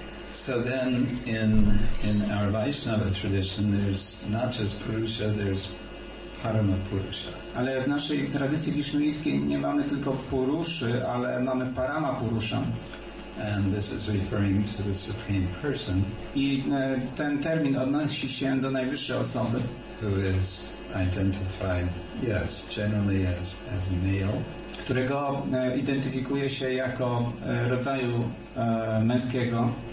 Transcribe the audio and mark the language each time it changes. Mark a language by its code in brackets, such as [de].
[en] So then in our Vaishnava tradition there's not just Purusha, there's Paramapurusha. [pl] Ale w naszej tradycji wisznuńskiej nie mamy tylko Puruszy, ale mamy Paramapurusza. [en] And this is referring to the Supreme Person. [pl] I ten termin odnosi się do najwyższej osoby. [en] Who is identified, yes, generally as male. [pl] Którego identyfikuje się jako rodzaju męskiego.